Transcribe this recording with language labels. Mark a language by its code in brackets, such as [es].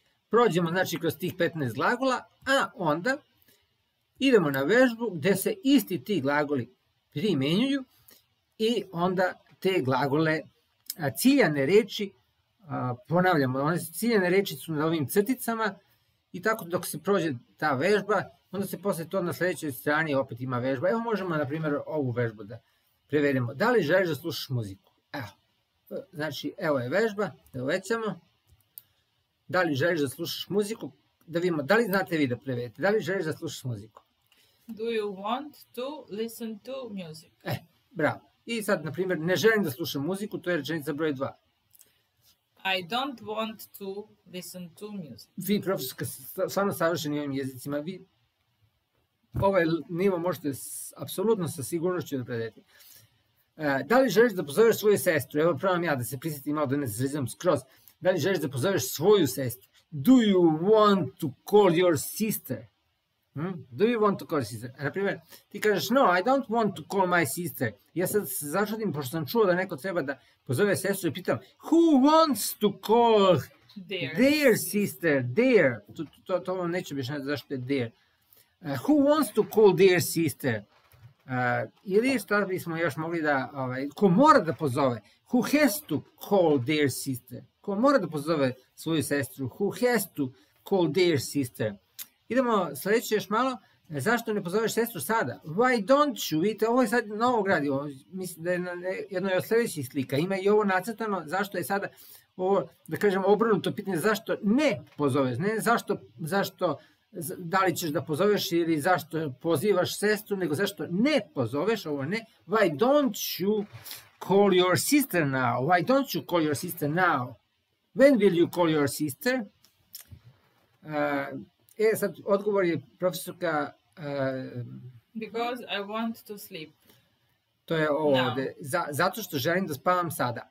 [sr] Prođemo, znači, kroz tih 15 glagola, a onda idemo na vežbu gde se isti ti glagoli primenjuju i onda te glagole, ciljane reči, ponavljamo, one ciljane reči su na ovim crticama i tako dok se prođe ta vežba, onda se posle to na sledećoj strani opet ima vežba. Evo možemo, na primjer, ovu vežbu da prevedemo. Da li želiš da slušaš muziku? Evo, znači, evo je vežba, da uvećamo. Da li želiš da slušaš muziku? Da vidimo, da li znate vi da prevedete? Da li želiš da slušaš muziku? [en] Do you want to listen to music? [sr] E, bravo. I sad, na primjer, ne želim da slušam muziku, to je rečenica broj 2. [en] I don't want to listen to music. [sr] Vi, profesorka, stvarno savršeni ovim jezicima, vi ovaj nivo možete apsolutno sa sigurnošću da prevedete. Da li želiš da pozoveš svoju sestru? Evo, probam ja da se prisetim malo da ne zrizam skroz. Da li želiš da pozoveš svoju sestru? [en] Do you want to call your sister? Do you want to call your sister? [sr] Naprimer, ti kažeš, [en] no, I don't want to call my sister. [sr] Ja sad se začudim, pošto sam čuo da neko treba da pozove sestru i pitam, [en] who wants to call their sister? There. [sr] To vam neće biš nadati zašto je there. [en] Who wants to call their sister? [sr] Ili što bismo još mogli da, ko mora da pozove? [en] Who has to call their sister? [sr] Ko mora da pozove svoju sestru? [en] Who has to call their sister? [sr] Idemo sledeće još malo. Zašto ne pozoveš sestru sada? [en] Why don't you? [sr] Vidite, ovo je sad novo gradivo. Mislim da je jedno od sljedećih slika. Ima i ovo nacrtano. Zašto je sada ovo, da kažem, obrnuto pitanje? Zašto ne pozoveš? Ne zašto, zašto, da li ćeš da pozoveš ili zašto pozivaš sestru, nego zašto ne pozoveš ovo ne? [en] Why don't you call your sister now? Why don't you call your sister now? When will you call your sister? [sr] E, sad, odgovor je profesorka... [en] Because I want to sleep. [sr] To je ovde. Zato što želim da spavam sada.